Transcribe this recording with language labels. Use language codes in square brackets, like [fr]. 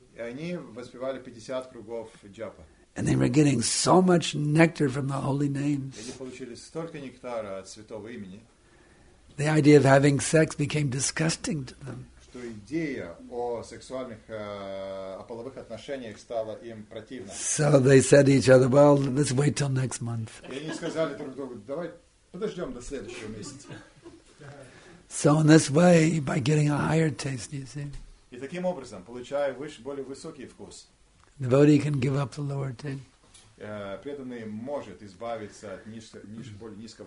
[ru] И они воспевали 50 кругов джапа. [en] And they were getting so much nectar from the holy names. [ru] И они получили столько нектара от святого имени. [en] The idea of having sex became disgusting to them. [ru] То идея о сексуальных, о половых отношениях стала им противна. [en] So they said to each other, well, let's wait till next month. [ru] И они сказали друг другу, давай подождем до следующего месяца. [en] So in this way, by getting a higher taste, you see. [ru] И таким образом, получая более высокий вкус. [en] Devotee can give up the lower taste. [ru] Преданный может избавиться от более низкого.